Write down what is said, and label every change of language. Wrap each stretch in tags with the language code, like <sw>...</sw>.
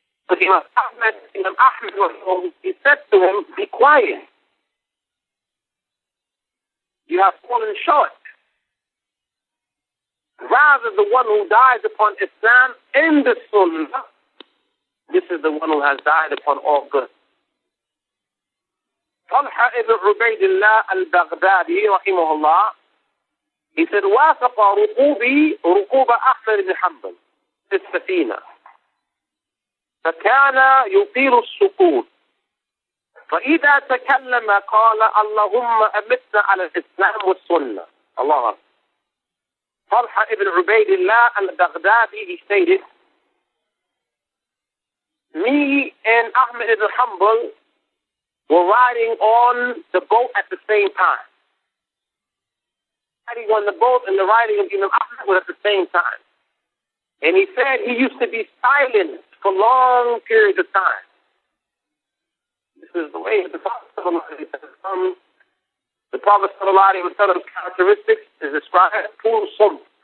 <en>But Imam Ahmed was told, he said to him, be quiet. You have fallen short. Rather, the one who dies upon Islam in the Sunnah, this is the one who has died upon all good.</en> <ar>طلحة ابن عبيد الله البغدادي رحمه الله</ar> <en>He said</en> <ar>وافق ركوبي ركوب أحمد بن حنبل في السفينة فكان يطيل السقوط فإذا تكلم قال اللهم أمتنا على الإسلام والسنة الله طلحة ابن عبيد الله البغدادي</ar> <en>He stated Me and Ahmed ibn Hanbal were riding on the boat at the same time. riding on the boat and the riding of Imam Ahmad were at the same time. And he said he used to be silent for long periods of time. This is the way the Prophet ﷺ, the Prophet sallallahu alaihi wasallam's characteristics is described as full sum.</en>